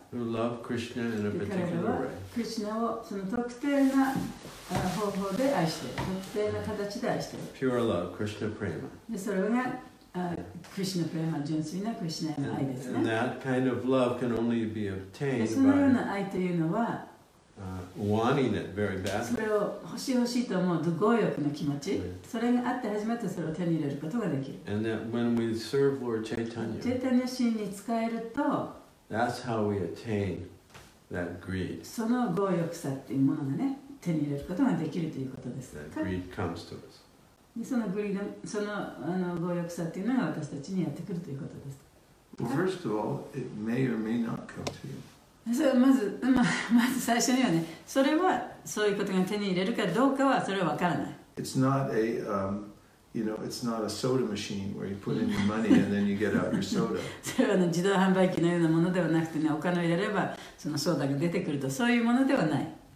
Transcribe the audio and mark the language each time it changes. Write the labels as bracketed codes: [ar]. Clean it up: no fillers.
[en] Who love Krishna in a particular way. [ja] Krishna をその特定な方法で愛してる、特定な形で愛してる。 [en] Pure love, Krishna prema. [ja] でそれが Krishna prema、純粋な Krishna への愛ですね。 [en] And that kind of love can only be obtained [ja] by. そのような愛というのは。 [en] Wanting it very badly. [ja] それを欲しい欲しいと思う欲望欲の気持ち、right. それがあって初めてそれを手に入れることができる。 [en] And that when we serve Lord Chaitanya, [ja] Chaitanya 神に仕えると、 [en] that's how we attain that greed. [ja] その欲欲さっていうものがね、手に入れることができるということです。 [en] That greed comes to us. [ja] その greed、その欲欲さっていうのが私たちにやってくるということです。 [en] Well, first of all, it may or may not come to you. [ja] まず最初にはね、それはそういうことが手に入れるかどうかはそれは分からない。 [en] It's not a, you know, it's not a soda machine where you put in your money and then you get out your soda. [ja] それは、ね、自動販売機のようなものではなくてね、お金を入れればそのソーダが出てくると、そういうものではない。